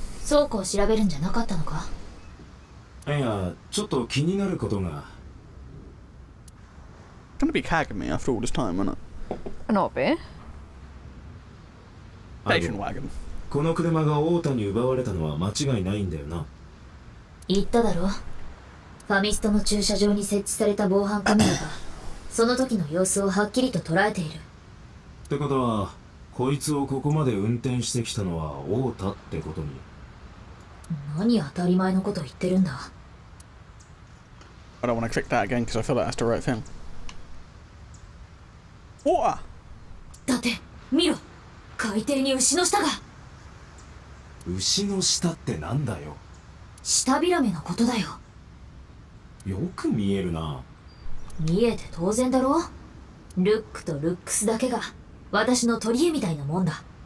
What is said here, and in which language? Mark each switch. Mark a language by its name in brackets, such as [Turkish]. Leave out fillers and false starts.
[Japanese] 倉庫を調べるんじゃなかったのか。いや、ちょっと気になることが。 [English] It's gonna be Kagami after all this time, isn't it? Not be. Station wagon. [Japanese] この車が太田に奪われたのは間違いないんだよな。言っただろ。ファミストの駐車場に設置された防犯カメラがその時の様子をはっきりと捉えている。ってことはこいつをここまで運転してきたのは太田ってことに。何当たり前のこと言ってるんだ。 [English] I don't want to click that again because I feel like that's the right thing. [Japanese] 太田だって見ろ、海底に牛の舌が。牛の舌ってなんだよ。舌びらめのことだよ。よく見えるな。見えて当然だろ。ルックとルックスだけが私の取り柄みたいなもんだ。